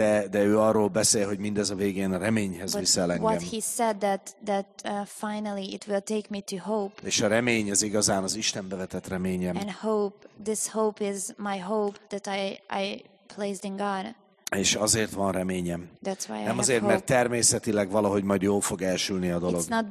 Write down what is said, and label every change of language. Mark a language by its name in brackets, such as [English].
[Hungarian] De ő arról beszél, hogy mindez a végén a reményhez viszel engem. [English] What he said that finally it will take me to hope. [Hungarian] És a remény az igazán az Istenbe vetett reményem. [English] And hope, this hope is my hope that I placed in God. [Hungarian] És azért van reményem. [English] That's why [Hungarian] nem [English] I [Hungarian] azért, [English] have [Hungarian] mert [English] hope. [Hungarian] Természetileg valahogy majd jól fog elsülni a dolog.